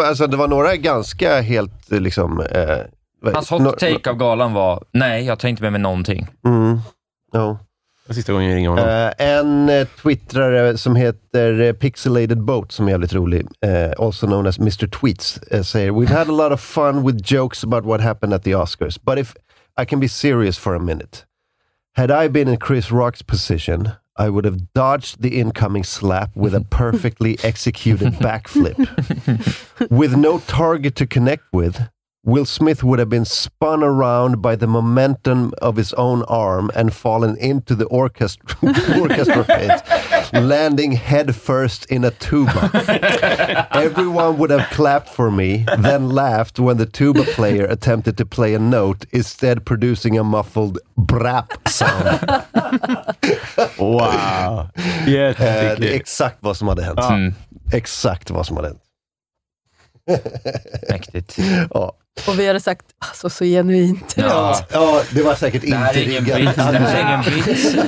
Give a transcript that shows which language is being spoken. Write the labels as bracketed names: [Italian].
[Swedish] Det var några ganska helt liksom... Hans hot take av galan var, nej, jag tar inte med mig någonting. Mm. Ja. Sista gången jag ringer honom. En twittrare som heter Pixelated Boat, som är jävligt rolig, [English] also known as Mr. Tweets, säger, we've had a lot of fun with jokes about what happened at the Oscars, but if I can be serious for a minute, had I been in Chris Rock's position, I would have dodged the incoming slap with a perfectly executed backflip. With no target to connect with, Will Smith would have been spun around by the momentum of his own arm and fallen into the orchestra pit, landing head first in a tuba. Everyone would have clapped for me, then laughed when the tuba player attempted to play a note, instead producing a muffled brap sound. Wow. [Swedish] Yeah, exakt vad som hade hänt. Exakt vad som hade hänt. Mäktigt. Ja. Och vi hade sagt, alltså så genuint. Ja, ja, det var säkert inte riggat. Det här är ingen bit.